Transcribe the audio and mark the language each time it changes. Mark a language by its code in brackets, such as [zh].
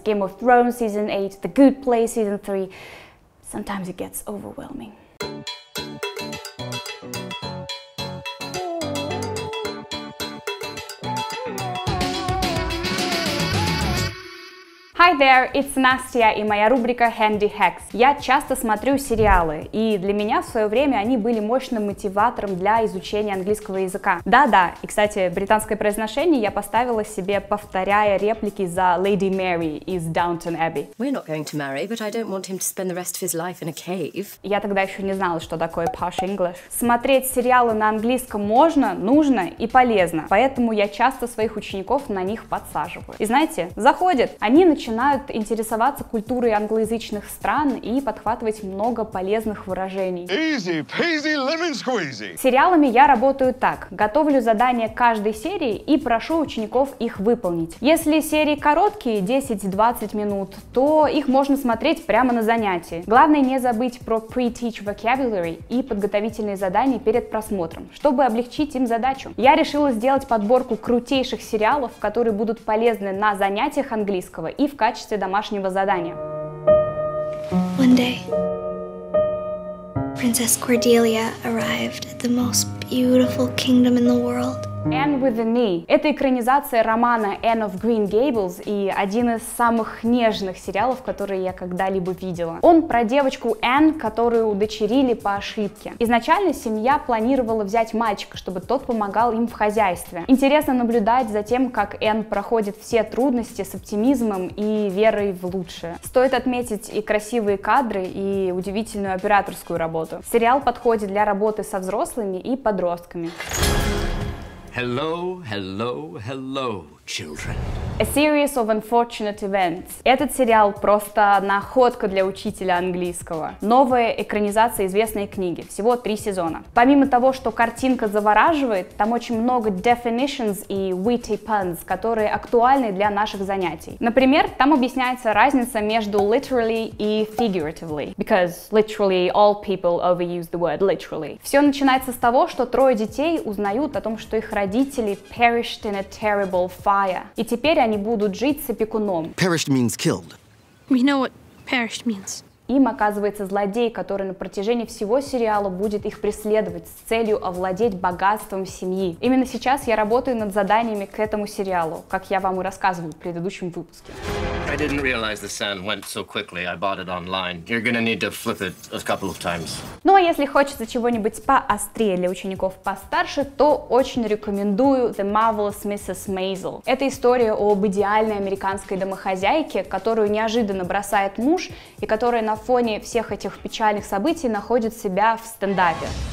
[en] Game of Thrones season 8, The Good Place season 3. Sometimes it gets overwhelming. Hi there, it's Nastya [ru] и моя рубрика [en] Handy Hacks. [ru] Я часто смотрю сериалы, и для меня в свое время они были мощным мотиватором для изучения английского языка. Да-да, и кстати, британское произношение я поставила себе, повторяя реплики за Lady Mary из Downton Abbey. [en] We're not going to marry, but I don't want him to spend the rest of his life in a cave. [ru] Я тогда еще не знала, что такое posh English. Смотреть сериалы на английском можно, нужно и полезно, поэтому я часто своих учеников на них подсаживаю. И знаете, заходят, они начинают интересоваться культурой англоязычных стран и подхватывать много полезных выражений. [en] Easy peasy lemon squeezy. [ru] Сериалами я работаю так. Готовлю задания каждой серии и прошу учеников их выполнить. Если серии короткие, 10-20 минут, то их можно смотреть прямо на занятии. Главное не забыть про pre-teach vocabulary и подготовительные задания перед просмотром, чтобы облегчить им задачу. Я решила сделать подборку крутейших сериалов, которые будут полезны на занятиях английского и в качестве домашнего задания. [en] One day, Princess Cordelia arrived at the most beautiful kingdom in the world. Anne with a Knee. [ru] Это экранизация романа Anne of Green Gables и один из самых нежных сериалов, которые я когда-либо видела. Он про девочку Anne, которую удочерили по ошибке. Изначально семья планировала взять мальчика, чтобы тот помогал им в хозяйстве. Интересно наблюдать за тем, как Anne проходит все трудности с оптимизмом и верой в лучшее. Стоит отметить и красивые кадры, и удивительную операторскую работу. Сериал подходит для работы со взрослыми и подростками. [en] Hello, hello, hello, children. A Series of Unfortunate Events. [ru] Этот сериал просто находка для учителя английского. Новая экранизация известной книги, всего 3 сезона. Помимо того, что картинка завораживает, там очень много definitions и witty puns, которые актуальны для наших занятий. Например, там объясняется разница между literally и figuratively. Because literally all people overuse the word literally. Все начинается с того, что трое детей узнают о том, что их родители [en] perished in a terrible fire. [ru] И теперь они будут жить с опекуном. [en] Perished means killed. We know what perished means. [ru] Им оказывается злодей, который на протяжении всего сериала будет их преследовать с целью овладеть богатством семьи. Именно сейчас я работаю над заданиями к этому сериалу, как я вам и рассказывал в предыдущем выпуске. [en] I didn't realize the sand went so quickly. I bought it online. You're gonna need to flip it a couple of times. [ru] Ну а если хочется чего-нибудь поострее для учеников постарше, то очень рекомендую The Marvelous Mrs. Maisel. Это история об идеальной американской домохозяйке, которую неожиданно бросает муж и которая на фоне всех этих печальных событий находит себя в стендапе.